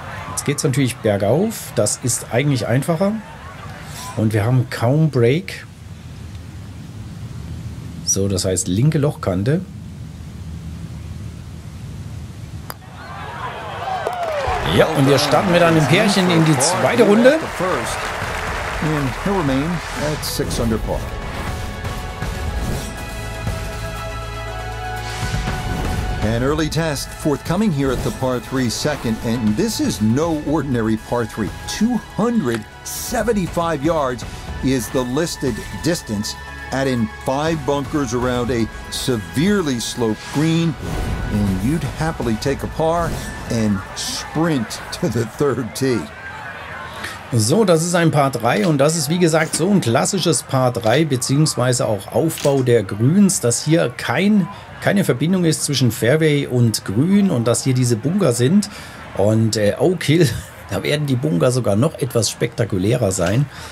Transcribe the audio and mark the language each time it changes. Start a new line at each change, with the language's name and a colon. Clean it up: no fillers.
German: Jetzt geht es natürlich bergauf. Das ist eigentlich einfacher. Und wir haben kaum Break. So, das heißt linke Lochkante. Ja, und wir starten mit einem Pärchen in die zweite Runde.
English: And he'll remain at 6 under par. An early test forthcoming here at the par 3 second, and this is no ordinary par 3. 275 yards is the listed distance. Add in 5 bunkers around a severely sloped green, and you'd happily take a par and sprint to the third tee.
German: So, das ist ein Par 3 und das ist wie gesagt so ein klassisches Par 3 beziehungsweise auch Aufbau der Grüns, dass hier keine Verbindung ist zwischen Fairway und Grün und dass hier diese Bunker sind. Und Oak Hill, da werden die Bunker sogar noch etwas spektakulärer sein.